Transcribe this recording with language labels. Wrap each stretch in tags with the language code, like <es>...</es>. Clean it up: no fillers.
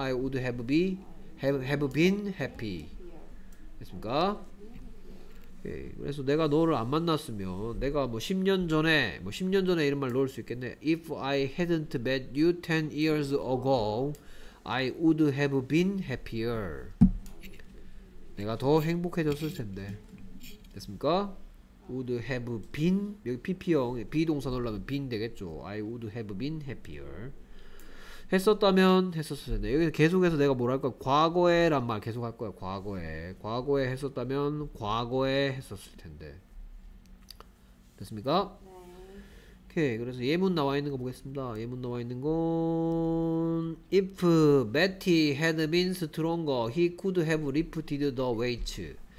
<en>I would have, be, have been happy 됐습니까?</en> <ko>그래서 내가 너를 안 만났으면 내가 뭐 10년 전에 뭐 10년 전에 이런 말 넣을 수 있겠네.</ko> <en>If I hadn't met you 10 years ago I would have been happier.</en> <ko>내가 더 행복해졌을 텐데 됐습니까?</ko> <en>Would have been</en> <ko>여기 PP형 비동사 넣으려면 been 되겠죠.</ko> <en>I would have been happier.</en> <ko>했었다면 했었을 텐데 여기 계속해서 내가 뭐랄까 과거에 란 말 계속 할 거야. 과거에 했었다면 과거에 했었을 텐데 됐습니까? 네. 오케이. 그래서 예문 나와 있는 거 보겠습니다. 예문 나와 있는 건</ko> <en>If Betty had been stronger he could have lifted the weight.</en>